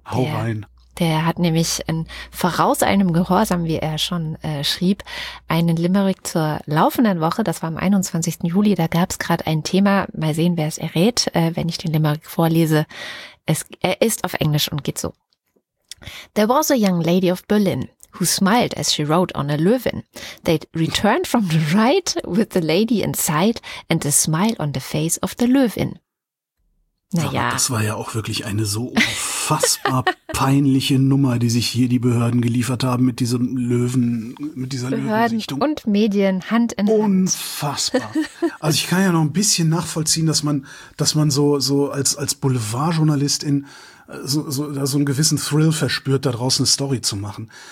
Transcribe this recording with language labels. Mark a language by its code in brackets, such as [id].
[de] Hau rein. Der hat nämlich in voraus einem Gehorsam, wie er schon schrieb, einen Limerick zur laufenden Woche. Das war am 21. Juli. Da gab es gerade ein Thema. Mal sehen, wer es errät, wenn ich den Limerick vorlese. Er ist auf Englisch und geht so. [en] There was a young lady of Berlin who smiled as she rode on a Löwin. They returned from the ride with the lady inside and the smile on the face of the Löwin. [de] Naja. Das war ja auch wirklich eine so unfassbar peinliche Nummer, die sich hier die Behörden geliefert haben mit diesem Löwen, mit dieser Löwensichtung. Und Medien Hand in Hand. Unfassbar. Also ich kann ja noch ein bisschen nachvollziehen, dass man so als Boulevardjournalistin so einen gewissen Thrill verspürt, da draußen eine Story zu machen.